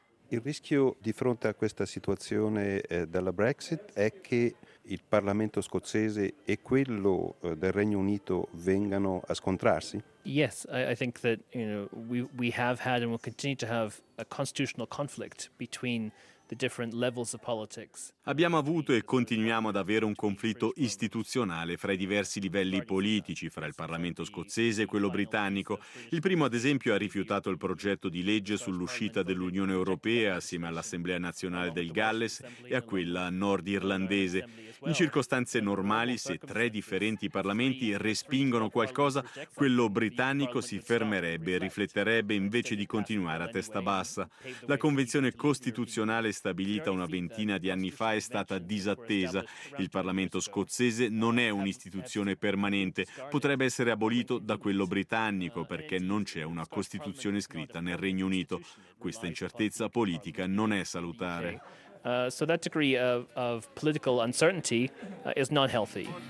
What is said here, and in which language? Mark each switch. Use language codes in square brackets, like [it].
[it] Il rischio di fronte a questa situazione della Brexit è che il Parlamento scozzese e quello del Regno Unito vengano a scontrarsi? [en] Yes, I think that, you know, we have had and will continue to have a constitutional conflict between the different levels of politics. [it] Abbiamo avuto e continuiamo ad avere un conflitto istituzionale fra i diversi livelli politici, fra il Parlamento scozzese e quello britannico. Il primo, ad esempio, ha rifiutato il progetto di legge sull'uscita dell'Unione Europea assieme all'Assemblea Nazionale del Galles e a quella nordirlandese. In circostanze normali, se tre differenti parlamenti respingono qualcosa, quello britannico si fermerebbe e rifletterebbe invece di continuare a testa bassa. La Convenzione Costituzionale stabilita una ventina di anni fa è stata disattesa. Il Parlamento scozzese non è un'istituzione permanente. Potrebbe essere abolito da quello britannico perché non c'è una Costituzione scritta nel Regno Unito. Questa incertezza politica non è salutare. [en] So that degree of political uncertainty is not healthy.